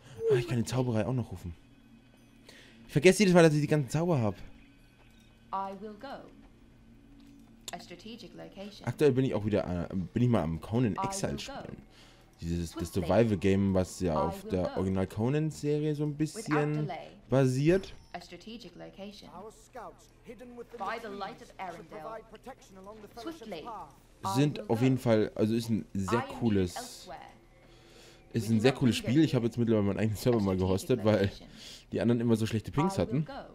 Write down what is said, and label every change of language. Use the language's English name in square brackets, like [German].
[German] Ah, ich kann die Zauberei auch noch rufen. Ich vergesse jedes Mal, dass ich die ganzen Zauber habe. [English] I will go. A strategic location. [German] Aktuell bin ich auch wieder bin ich mal am Conan Exile spielen. Das Survival Game, was ja auf der Original Conan Serie so ein bisschen basiert. [English] A strategic location. Our scouts, hidden with the by the light of Arendelle. Swiftly. [German] Sind auf jeden Fall, also ist ein sehr cooles Spiel. Ich habe jetzt mittlerweile meinen eigenen Server mal gehostet, weil die anderen immer so schlechte Pings hatten.